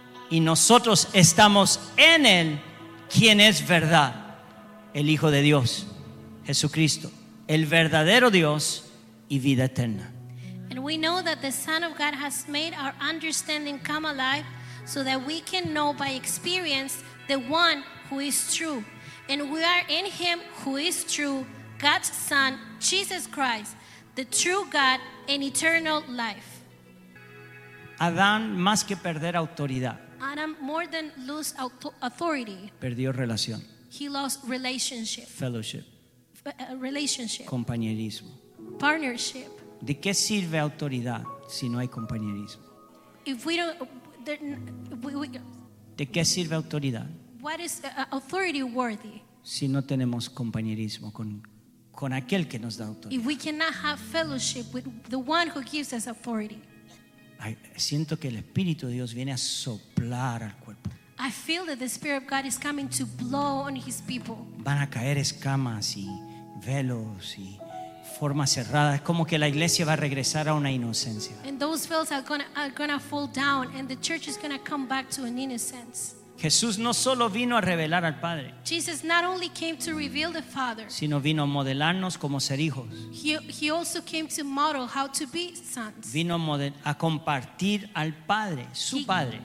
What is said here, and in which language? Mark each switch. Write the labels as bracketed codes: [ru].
[es] Y nosotros estamos en Él, quien es verdad, el Hijo de Dios, Jesucristo, el verdadero Dios y vida eterna. [en] And we know that the Son of God has made our understanding come alive, so that we can know by experience the one who is true. And we are in Him who is true, God's Son, Jesus Christ, the true God and eternal life. [es] Adán, más que perder autoridad, [en] Adam, more than lose authority, [es] perdió relación. [en] He lost relationship. Fellowship. Relationship. [es] Compañerismo. [en] Partnership. [es] ¿De qué sirve autoridad si no hay compañerismo? ¿De qué sirve autoridad? [en] What is authority worthy? [es] Si no tenemos compañerismo con aquel que nos da autoridad. [en] If we cannot have fellowship with the one who gives us authority. [es] Siento que el Espíritu de Dios viene a soplar al cuerpo. [en] I feel that the Spirit of God is coming to blow on his people. [es] Van a caer escamas y velos y formas cerradas. Como que la iglesia va a regresar a una inocencia. [en] And those veils are gonna fall down and the church is gonna come back to an innocence. [es] Jesús no solo vino a revelar al Padre, [en] Jesus not only came to reveal the Father, [es] sino vino a modelarnos como ser hijos. [en] He also came to model how to be sons. [es] Vino a compartir al Padre, su Padre.